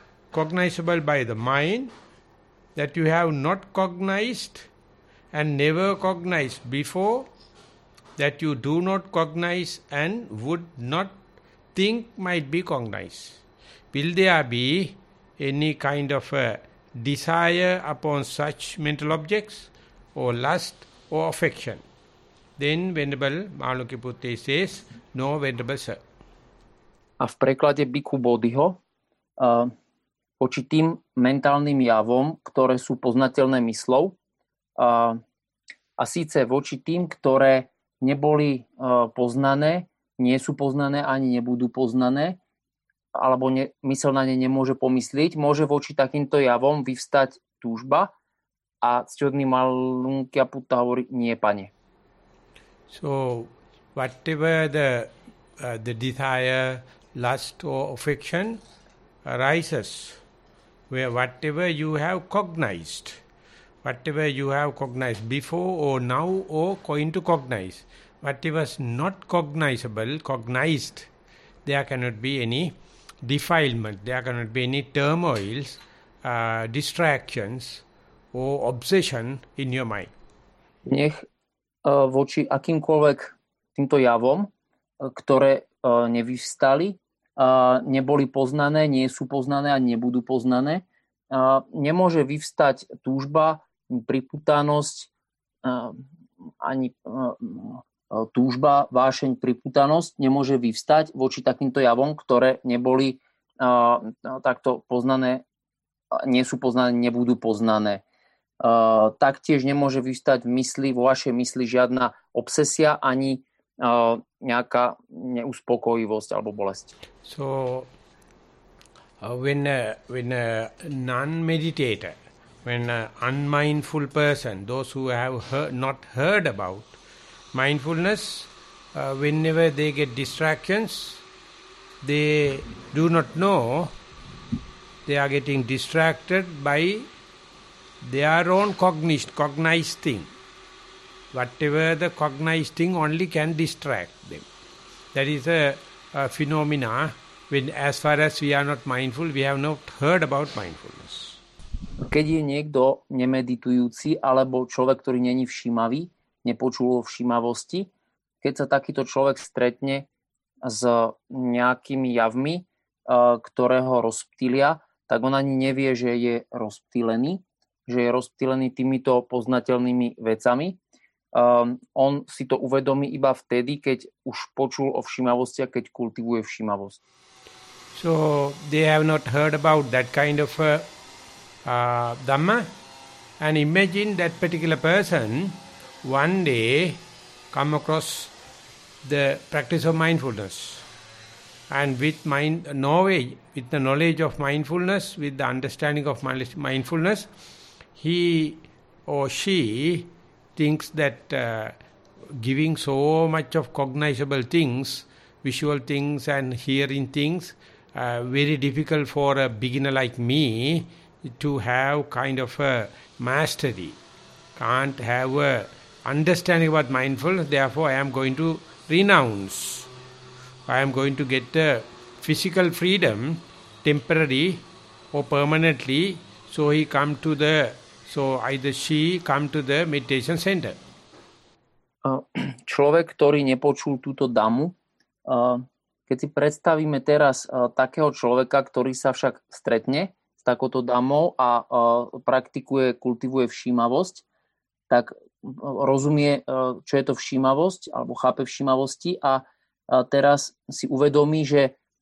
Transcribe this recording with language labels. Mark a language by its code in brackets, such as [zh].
[en] cognizable by the mind that you have not cognized and never cognized before, that you do not cognize and would not think might be cognized, will there be any kind of a desire upon such mental objects or lust or affection? Then Venerable Mahalokyaputte says, no, Venerable Sir. [sk] A v preklade Bhikkhu Bodhiho, očitým mentálnym javom, ktoré sú poznateľné mysľou, a síce voči tým, ktoré neboli poznané, nie sú poznané ani nebudú poznané, alebo mysel na ne nemôže pomyslieť, môže voči takýmto javom vyvstať túžba a ctihodný Mahalokyaputta hovorí, nie, pane. [en] So, whatever the desire, lust or affection arises, where whatever you have cognized, whatever you have cognized before or now or going to cognize, whatever is not cognizable, cognized, there cannot be any defilement, there cannot be any turmoils, distractions or obsession in your mind. [sk] Nech voči akýmkoľvek týmto javom, ktoré nevyvstali, neboli poznané, nie sú poznané a nebudú poznané, nemôže vyvstať túžba, pripútanosť, ani túžba, vášeň, pripútanosť nemôže vyvstať voči takýmto javom, ktoré neboli takto poznané, nie sú poznané, nebudú poznané. Taktiež nemôže vyvstať v mysli, vo vašej mysli žiadna obsesia ani nejaká neuspokojivosť alebo bolesť. [en] So, when a non-meditator, when an unmindful person, those who have not heard about mindfulness, whenever they get distractions, they do not know they are getting distracted by their own cognized thing. Whatever the cognized thing only can distract them. That is a phenomena when, as far as we are not mindful, we have not heard about mindfulness. [sk] Keď je niekto nemeditujúci alebo človek, ktorý není všímavý, nepočul o všímavosti, keď sa takýto človek stretne s nejakými javmi, ktoré ho rozptýlia, tak on ani nevie, že je rozptýlený týmito poznateľnými vecami. On si to uvedomí iba vtedy, keď už počul o všímavosti a keď kultivuje všímavosť. [en] So they have not heard about that kind of dhamma. And imagine that particular person one day come across the practice of mindfulness. And with knowledge of mindfulness, with the understanding of mindfulness, he or she thinks that giving so much of cognizable things, visual things and hearing things, very difficult for a beginner like me to have kind of a mastery. Can't have a understanding about mindfulness, therefore I am going to renounce. I am going to get the physical freedom temporary or permanently. So he come to the, so either she come to the meditation center. [sk] Človek, ktorý nepočul túto dámu, keď si predstavíme teraz takého človeka, ktorý sa však stretne s takouto dámou a praktikuje, kultivuje všímavosť, tak rozumie, čo je to všímavosť alebo chápe všímavosti a teraz si uvedomí, že